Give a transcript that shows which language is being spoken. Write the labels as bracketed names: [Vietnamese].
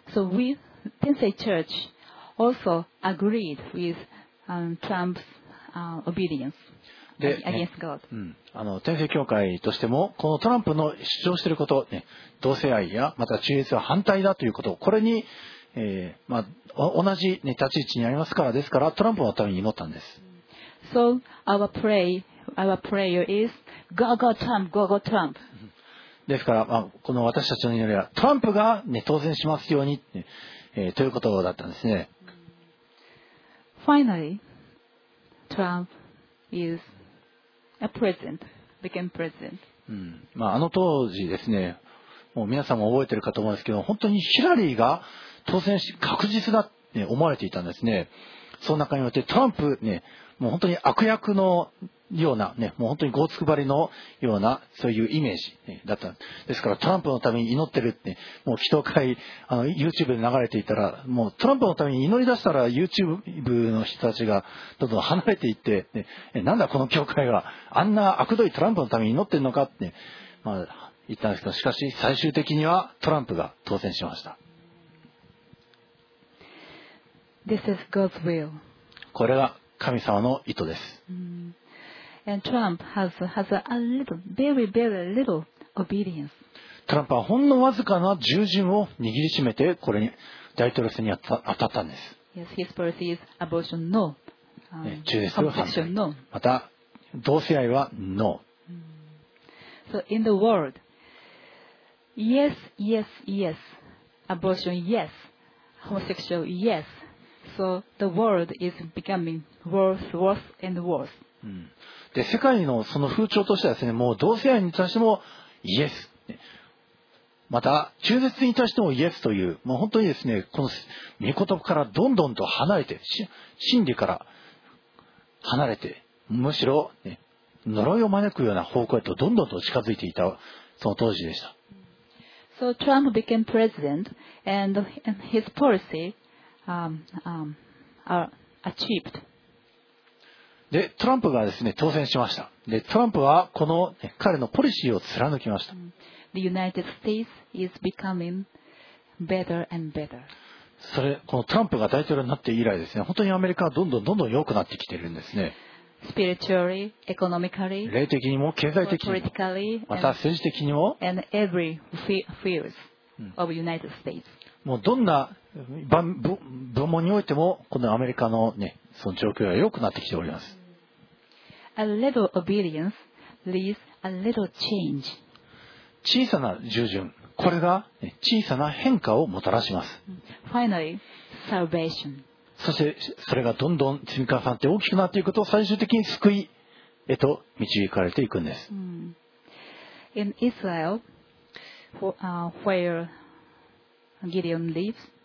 [English] So we, Tensei Church, also agreed with Trump's obedience against God. [Japanese] Tensei教会としても、このトランプの主張していること、ね、同性愛やまた中絶は反対だということ、これに、まあ、同じ、ね、立ち位置にありますから、ですからトランプのために祈ったんです。 [English] So our prayer is go go Trump, go go Trump. [Japanese] ですから、まあ、この私たちの祈りはトランプが、ね、当選しますように、ということだったんですね。 [English] Finally Trump is a president, became president. [Japanese] まあ、あの当時ですね、もう皆さんも覚えてるかと思うんですけど、本当にヒラリーが当選し確実だって思われていたんですね。その中によってトランプね、もう本当に悪役のようなね、もう本当にゴーツクバリのようなそういうイメージ、ね、だったんですから、トランプのために祈ってるって、ね、もう祈祷会YouTube で流れていたら、もうトランプのために祈り出したら YouTube の人たちがどんどん離れていって、ね、なんだこの教会はあんな悪どいトランプのために祈ってるのかって、ね、まあ、言ったんですけど、しかし最終的にはトランプが当選しました。 [English] This is God's will. [Japanese] これが神様の意図です。 [English] And Trump has a little, very, very little obedience. [Japanese] トランプはほんのわずかな従順を握りしめて、これに大統領選に当たったんです。 [English] Yes, his policy is abortion, no. [Japanese] 中絶は反対。 [English] No. [Japanese] また、同性愛は no. [English] So in the world, yes, yes, yes. Abortion, yes. Homosexual, yes. So the world is becoming worse, worse and worse. [Japanese] で世界のその風潮としてはですね、もう同性愛に対してもイエス、また中絶に対してもイエスという、もう本当にですね、この御言葉からどんどんと離れて、真理から離れて、むしろ、ね、呪いを招くような方向へとどんどんと近づいていたその当時でした。 [English] So Trump became president and his policy. Are achieved. [Japanese] でトランプがですね当選しました。でトランプはこの彼のポリシーを貫きました。 [English] The United States is becoming better and better. [Japanese] それこのトランプが大統領になって以来ですね、本当にアメリカはどんどんどんどん良くなってきているんですね。 [English] Spiritually, economically, [Japanese] 霊的にも経済的にも、また政治的にも、 [English] and every fields of United States. [Japanese] もうどんな部門においてもこのアメリカのね、その状況が良くなってきております。 [English] A little obedience leads a little change. [Japanese] 小さな従順、これが小さな変化をもたらします。 [English] Finally, salvation. [Japanese] そしてそれがどんどん積み重なって大きくなっていくと、最終的に救いへと導かれていくんです。 [English] In Israel, where Gideon lives.